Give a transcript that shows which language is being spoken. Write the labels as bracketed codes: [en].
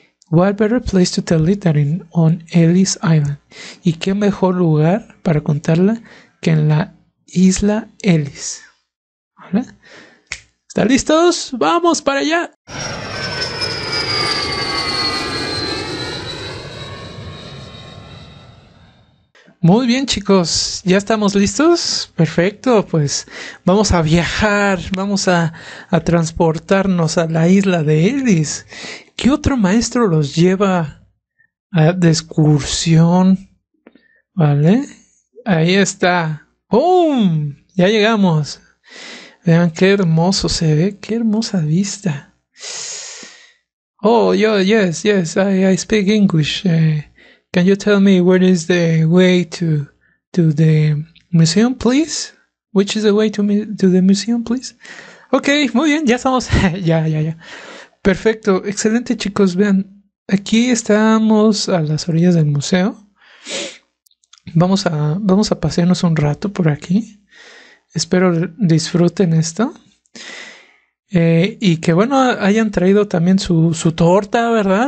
[en] What better place to tell it than in, on Ellis Island? [es] ¿Y qué mejor lugar para contarla que en la isla Ellis? ¿Vale? ¿Están listos? ¡Vamos para allá! Muy bien, chicos, ¿ya estamos listos? Perfecto, pues vamos a viajar, vamos a transportarnos a la isla de Ellis. ¿Qué otro maestro los lleva de excursión? ¿Vale? Ahí está. ¡Bum! Ya llegamos. Vean qué hermoso se ve, qué hermosa vista. [en] Oh, yo, yes, I speak English. Can you tell me where is the way to the museum, please? Which is the way to the museum, please? [es] Okay, muy bien, ya estamos. ya. Perfecto, excelente, chicos. Vean, aquí estamos a las orillas del museo. Vamos a pasearnos un rato por aquí. Espero disfruten esto. Y que, bueno, hayan traído también su torta, ¿verdad?